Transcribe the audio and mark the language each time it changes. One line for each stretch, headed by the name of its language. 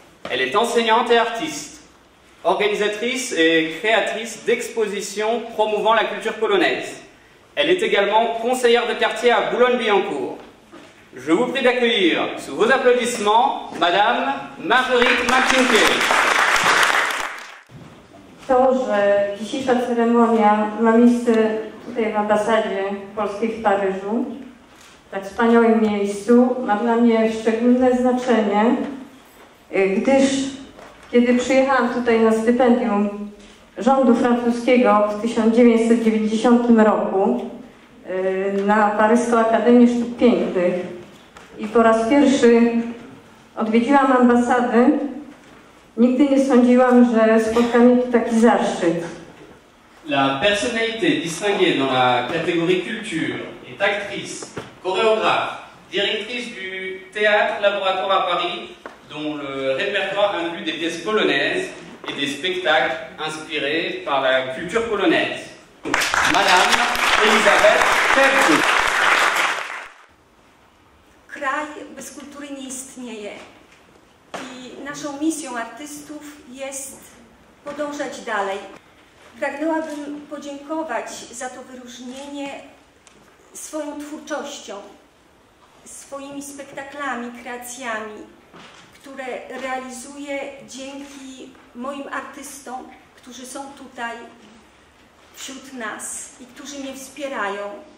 French: Elle est enseignante et artiste, organisatrice et créatrice d'expositions promouvant la culture polonaise. Elle est également conseillère de quartier à Boulogne-Billancourt. Je vous prie d'accueillir, sous vos applaudissements, Madame Marguerite Marcinkiewicz.
Polish: To, że dzisiejsza ceremonia ma miejsce tutaj w ambasadzie polskiej w Paryżu, w tak wspaniałym miejscu, ma dla mnie szczególne znaczenie, gdyż kiedy przyjechałam tutaj na stypendium rządu francuskiego w 1990 roku na Paryską Akademię Sztuk Pięknych i po raz pierwszy odwiedziłam ambasadę, nigdy nie sądziłam, że spotka mnie taki zaszczyt.
French: La personnalité distinguée dans la catégorie culture est actrice, chorégraphe, directrice du théâtre Laboratoire à Paris, dont le répertoire inclut des pièces polonaises et des spectacles inspirés par la culture polonaise. Madame Elisabeth Sercu.
Polish: Kraj bez kultury nie istnieje. I naszą misją artystów jest podążać dalej. Pragnęłabym podziękować za to wyróżnienie swoją twórczością, swoimi spektaklami, kreacjami, które realizuję dzięki moim artystom, którzy są tutaj wśród nas i którzy mnie wspierają.